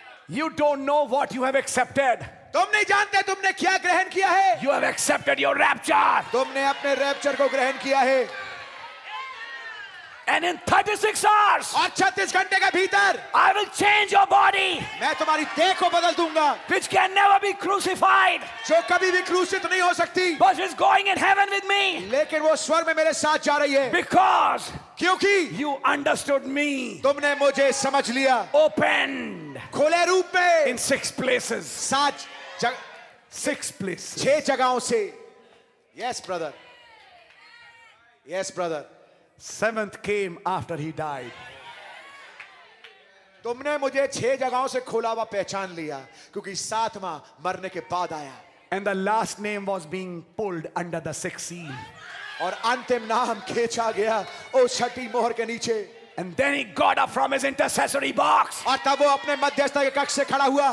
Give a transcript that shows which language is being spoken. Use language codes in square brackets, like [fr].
[en] You don't know what you have accepted. [hi] तुम नहीं जानते तुमने क्या ग्रहण किया है। [en] You have accepted your rapture. [hi] तुमने अपने रैप्चर को ग्रहण किया है। [en] And in 36 hours, [hi] और 36 घंटे के भीतर, [en] I will change your body, [hi] मैं तुम्हारी देह को बदल दूंगा, [en] which can never be crucified, [hi] जो कभी भी क्रूसित नहीं हो सकती, [en] but is going in heaven with me, [hi] लेकिन वो स्वर्ग में मेरे साथ जा रही है, [en] because, [hi] क्योंकि, [en] you understood me, [hi] तुमने मुझे समझ लिया, [en] open, [hi] खुले रूप में, [en] in 6 places, [hi] सात जग, [en] 6 places, [hi] 6 जगहों से, [en] yes brother, yes brother. Seventh came after he died. [hi] तुमने मुझे छह जगहों से खुला हुआ पहचान लिया क्योंकि सातवां मरने के बाद आया. [en] And the last name was being pulled under the sixth seal. [hi] और अंतिम नाम खींचा गया उस छठी मोहर के नीचे. [en] And then he got up from his intercessory box. [hi] और तब वो अपने मध्यस्थता के कक्ष से खड़ा हुआ.